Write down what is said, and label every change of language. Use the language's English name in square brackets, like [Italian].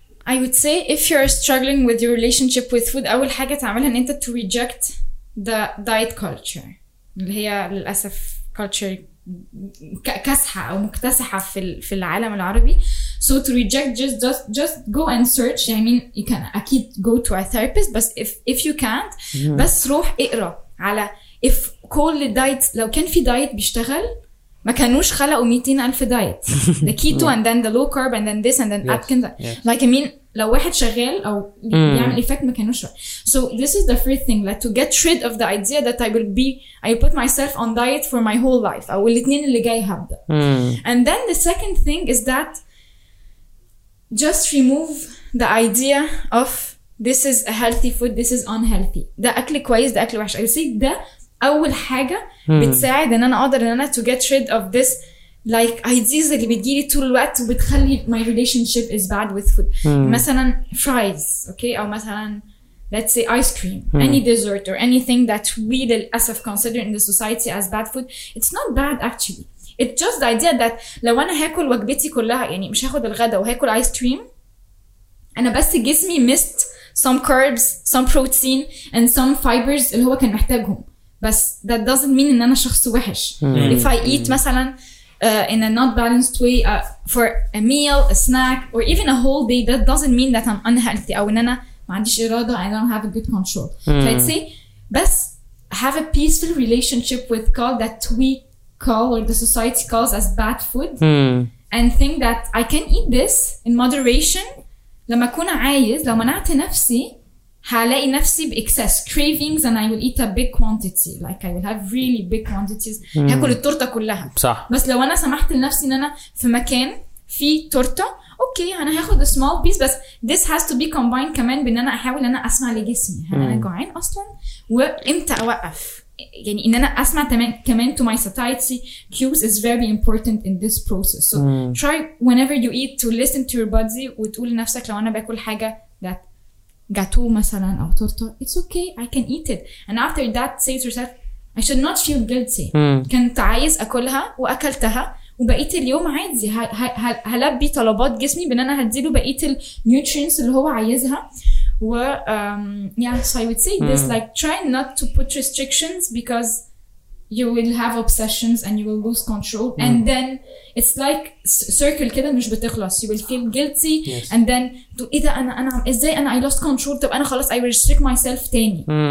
[English] I would say if you're struggling with your relationship with food, [Arabic] أول حاجة تعملها إن أنت [English] to reject the diet culture [Arabic] اللي هي للأسف [English] culture [Arabic] كاسحة أو مكتسحة في العالم العربي. [English] So to reject just go and search. I mean you can [Arabic] أكيد [English] go to a therapist [Arabic] بس [English] if you can't [Arabic] بس روح اقرأ على if كل الدايت لو كان في دايت بيشتغل ما كانوش خلقوا 200,000 دايت. [English] The keto and then the low carb and then this and then Atkins. Yes. Like I mean [Arabic] لو واحد شغال أو بيعمل effect ما كانوش شغال. [English] So this is the first thing like to get rid of the idea that I put myself on diet for my whole life. [Arabic] أو الاتنين اللي جاي هبدأ. [English] And then the second thing is that just remove the idea of this is a healthy food, this is unhealthy. [Arabic] ده أكل كويس ده أكل وحش. [English] I would say [Arabic] ده أول حاجة بتساعد إن أنا أقدر إن أنا [English] to get rid of this like ideas [Arabic] اللي بتجيلي طول الوقت وبتخلي [English] my relationship is bad with food. [Arabic] مثلا [English] fries okay [Arabic] أو مثلا [English] let's say ice cream, mm-hmm. any dessert or anything that we [Arabic] للأسف [English] consider in the society as bad food, it's not bad actually. It's just the idea that [Arabic] لو أنا هاكل وجبتي كلها يعني مش هاخد الغداء وهاكل ice cream, أنا بس جسمي [English] missed some carbs, some protein and some fibers [Arabic] اللي هو كان محتاجهم. بس [English] that doesn't mean [Arabic] إن أنا شخص وحش. [English] Mm-hmm. If I eat [Arabic] مثلا [English] in a not balanced way for a meal, a snack or even a whole day, that doesn't mean that I'm unhealthy [Arabic] أو إن أنا ما عنديش إرادة, [English] I don't have a good control. Mm-hmm. So I'd say [Arabic] بس [English] have a peaceful relationship with God that we call or the society calls as bad food, mm-hmm. and think that I can eat this in moderation. [Arabic] لما أكون عايز, لما منعت نفسي هلاقي نفسي بإكسس [English] cravings and I will eat a big quantity, like I will have really big quantities, [Arabic] هاكل التورتة كلها. صح. بس لو أنا سمحت لنفسي إن أنا في مكان في تورتة, أوكي أنا هاخد [English] a small piece, [Arabic] بس [English] this has to be combined [Arabic] كمان بإن أنا أحاول أنا أسمع لجسمي, هل أنا جوعان أصلاً وإمتى أوقف, يعني إن أنا أسمع كمان [English] to my satiety cues is very important in this process. So try whenever you eat to listen to your body [Arabic] وتقول لنفسك لو أنا بأكل حاجة [English] that [Arabic] جاتو مثلا او تورته, [English] it's okay, I can eat it, and after that say to yourself I should not feel guilty. [Arabic] كنت عايز اكلها واكلتها وبقيت اليوم عادي, هلبي طلبات جسمي بان انا هديله بقيه النيوترينتس اللي هو عايزها. [English] و yeah, so I would say this, like try not to put restrictions because you will have obsessions and you will lose control, and then it's like circle [Arabic] كده مش بتخلص. [English] You will feel guilty, yes. and then to [Arabic] إذا أنا إزاي أنا [English] I lost control, [Arabic] طب أنا خلاص [English] I restrict myself [Arabic] تاني.